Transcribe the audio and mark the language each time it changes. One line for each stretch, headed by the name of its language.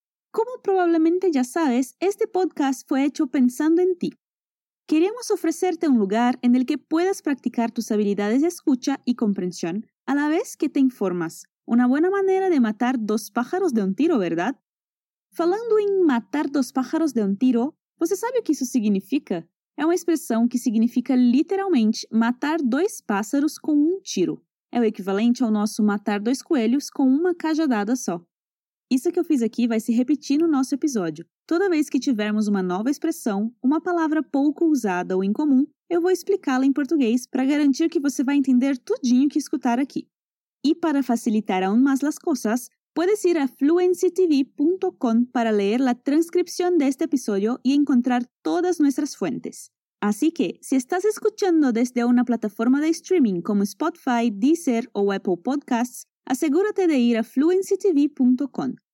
Spanish: Como probablemente ya sabes, este podcast fue hecho pensando en ti. Queremos ofrecerte un lugar en el que puedas practicar tus habilidades de escucha y comprensión a la vez que te informas. Una buena manera de matar dos pájaros de un tiro, ¿verdad?
Portuguese: Falando en
Spanish: matar dos pájaros de un tiro,
Portuguese: ¿você sabe o que isso significa? É uma expressão que significa literalmente matar dois pássaros com um tiro. É o equivalente ao nosso matar dois coelhos com uma cajadada só. Isso que eu fiz aqui vai se repetir no nosso episódio. Toda vez que tivermos uma nova expressão, uma palavra pouco usada ou incomum, eu vou explicá-la em português para garantir que você vai entender tudinho que escutar aqui.
Spanish: E para facilitar aún más las cosas, puedes ir a fluencytv.com para leer la transcripción de este episodio y encontrar todas nuestras fuentes. Así que, si estás escuchando desde una plataforma de streaming como Spotify, Deezer o Apple Podcasts, asegúrate de ir a fluencytv.com.